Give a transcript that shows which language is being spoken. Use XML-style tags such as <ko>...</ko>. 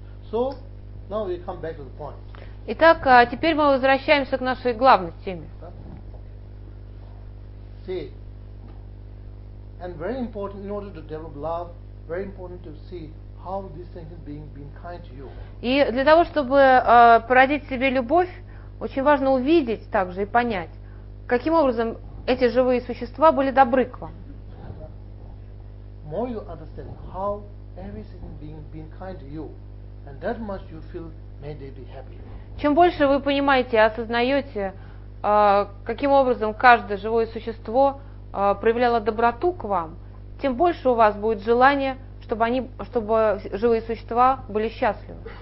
<en>So, now we come back to the point.</en> <ru>Итак, теперь мы возвращаемся к нашей главной теме.</ru> <en>See, and very important in order to develop love, very important to see how this thing is being kind to you.</en> <ru>И для того, чтобы породить в себе любовь, очень важно увидеть также и понять, каким образом эти живые существа были добры к вам.</ru> <en>More you understand how everything being kind to you, and that much you feel may they be happy.</en> <ru>Чем больше вы понимаете и осознаете, каким образом каждое живое существо проявляло доброту к вам, тем больше у вас будет желание, чтобы живые существа были счастливы.</ru>